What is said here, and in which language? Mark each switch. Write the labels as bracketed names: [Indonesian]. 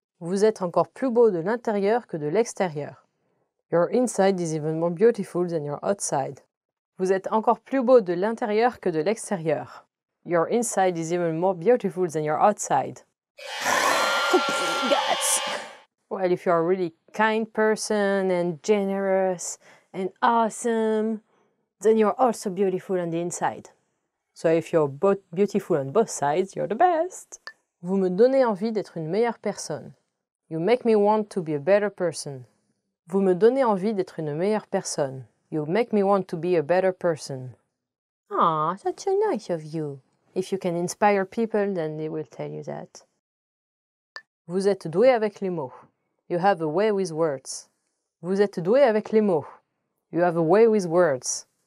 [French] Vous êtes encore plus beau de l'intérieur que de l'extérieur. [English] Your inside is even more beautiful than your outside. [French] Vous êtes encore plus beau de l'intérieur que de l'extérieur. [English] Your inside is even more beautiful than your outside. Guts! Well, if you're a really kind person and generous and awesome, then you're also beautiful on the inside. So if you're both beautiful on both sides, you're the best. [French] Vous me donnez envie d'être une meilleure personne. [English] You make me want to be a better person. [French] Vous me donnez envie d'être une meilleure personne. [English] You make me want to be a better person. Aw, that's so nice of you. If you can inspire people, then they will tell you that. [French] Vous êtes doué avec les mots. [English] You have a way with words. [French] Vous êtes doué avec les mots. [English] You have a way with words.